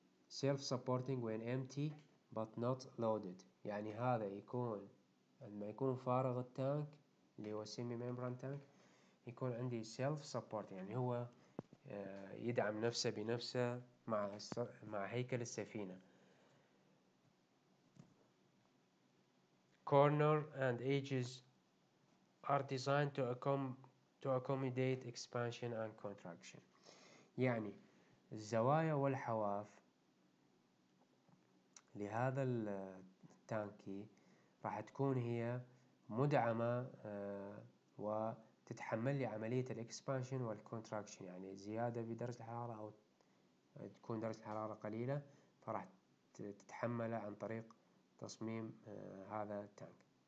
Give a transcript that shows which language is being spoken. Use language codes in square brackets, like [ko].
[en] self supporting when empty but not loaded، [ar] يعني هذا يكون لما يكون فارغ التانك اللي هو semi membrane tank، يكون عندي self supporting يعني هو يدعم نفسه بنفسه مع هيكل السفينة. [en] Corner and edges are designed to accommodate expansion and contraction. [ar] يعني الزوايا والحواف لهذا التانكي راح تكون هي مدعمة وتتحمل لي عملية الإكسبانشن والكونتراكشن، يعني زيادة بدرجة الحرارة أو تكون درجة الحرارة قليلة، فراح تتحملها عن طريق تصميم هذا التانك.